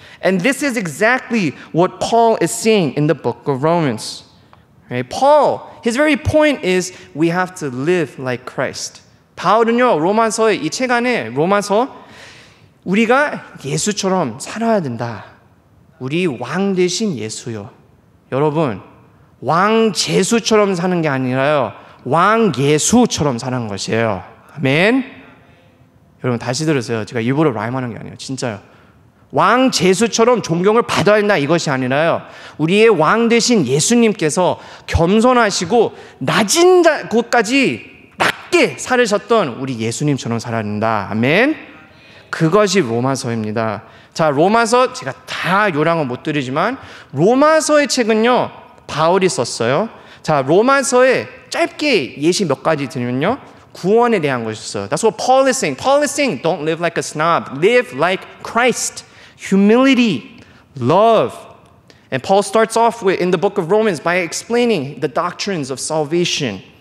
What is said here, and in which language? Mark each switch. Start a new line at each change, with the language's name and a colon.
English: And this is exactly what Paul is saying in the book of Romans. Right? Paul, his very point is we have to live like Christ.
Korean: 바울은요, 로마서에 이 책 안에 로마서 우리가 예수처럼 살아야 된다. 우리 왕 대신 예수요. 여러분, 왕 제수처럼 사는 게 아니라요. 왕 예수처럼 사는 것이에요. 아멘. 여러분 다시 들으세요. 제가 일부러 라임하는 게 아니에요. 진짜요. 왕 제수처럼 존경을 받아야 된다, 이것이 아니라요. 우리의 왕 되신 예수님께서 겸손하시고 낮은 곳까지 낮게 살으셨던 우리 예수님처럼 살아야 된다. 아멘. 그것이 로마서입니다. 자, 로마서 제가 다 요량을 못 드리지만 로마서의 책은요, 바울이 썼어요. 자, 로마서에 짧게 예시 몇 가지 드리면요, 구원에 대한 것이었어요.
English: That's what Paul is saying. Paul is saying, don't live like a snob. Live like Christ. Humility, love. And Paul starts off with, in the book of Romans, by explaining the doctrines of salvation.